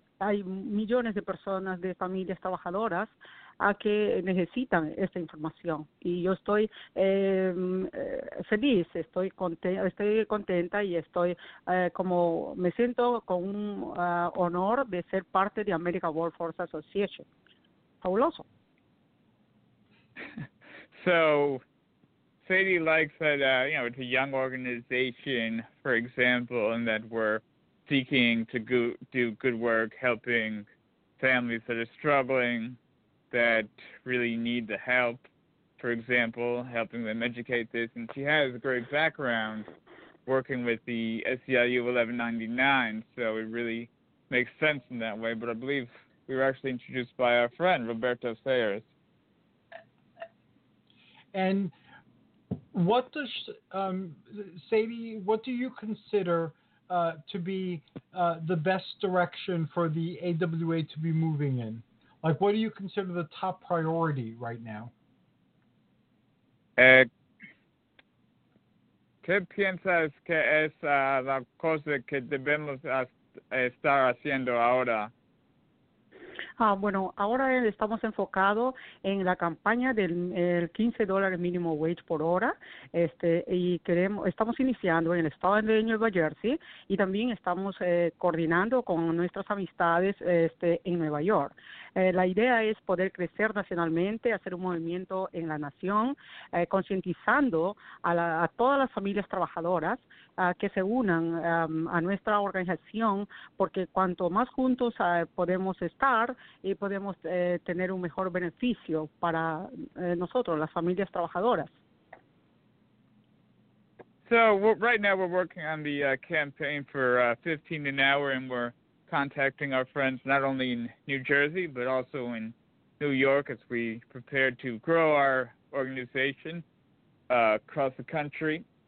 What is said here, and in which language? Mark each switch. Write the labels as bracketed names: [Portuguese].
[Spanish] Hay millones de personas, de familias trabajadoras, a que necesitan esta información. Y yo estoy feliz, estoy contenta y estoy como me siento con un honor de ser parte de American Workforce Association. Fabuloso. [English] So, Sadie likes that, it's a young organization, for example, and that we're seeking to do good work helping families that are struggling, that really need the help, for example, helping them educate this. And she has a great background working with the SEIU 1199, so it really makes sense in that way. But I believe we were actually introduced by our friend, Roberto Sayers. And what does, Sadie, what do you consider to be the best direction for the AWA to be moving in? Like, what do you consider the top priority right now? [Spanish] ¿Qué piensas que es la cosa que debemos estar haciendo ahora? Bueno, ahora estamos enfocados en la campaña del $15 mínimo wage por hora, estamos iniciando en el estado de Nueva Jersey y también estamos coordinando con nuestras amistades en Nueva York. La idea es poder crecer nacionalmente, hacer un movimiento en la nación, concientizando a todas las familias trabajadoras que se unan a nuestra organización, porque cuanto más juntos podemos estar y podemos tener un mejor beneficio para nosotros, las familias trabajadoras. [English] So right now we're working on the campaign for 15 an hour, and we're contacting our friends not only in New Jersey but also in New York as we prepare to grow our organization across the country.